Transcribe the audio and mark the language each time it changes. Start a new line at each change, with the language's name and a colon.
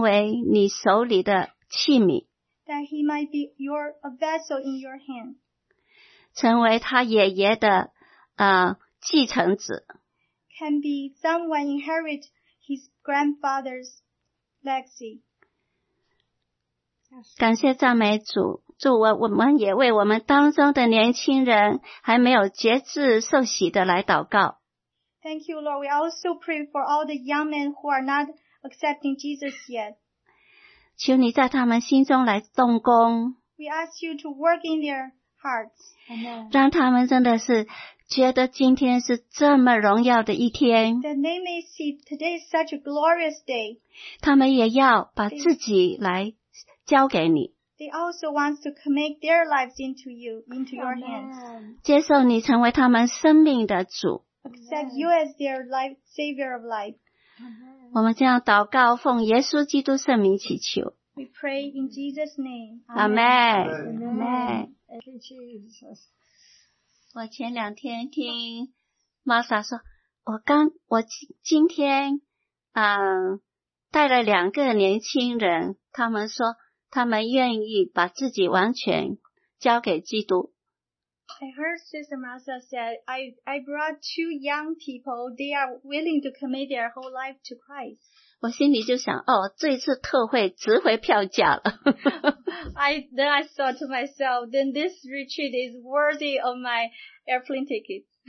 Chinese: 使他真的是成为你手里的器皿。
English: That he might be your a vessel in your hand.
Chinese: 成为他爷爷的继承子。
English: Can be someone inherit his grandfather's legacy.
Chinese: 感谢赞美主，主，我们也为我们当中的年轻人还没有节制受洗的来祷告。
English: Thank you, Lord. We also pray for all the young men who are not accepting Jesus yet.
Chinese: 求你在他们心中来动工。
English: We ask you to work in their hearts. Amen.
Chinese: 让他们真的是 觉得今天是这么荣耀的一天,
English: that they may see today is such a glorious day.
Chinese: 他们也要把自己来交给你。
English: They also want to commit their lives into you, into your hands.
Chinese: 接受你成为他们生命的主。
English: Accept you as their life, savior of life.
Chinese: 我们这样祷告，奉耶稣基督圣名祈求。
English: We pray in Jesus' name. Amen. Amen. Thank you, Jesus.
Chinese: 我前两天听 Martha 说，我今天带了两个年轻人，他们说他们愿意把自己完全交给基督。
English: I heard Sister Martha said, I brought two young people, they are willing to commit their whole life to Christ.
Chinese: 我心里就想，哦，这一次特会值回票价了。
English: Then I thought to myself, then this retreat is worthy of my airplane ticket.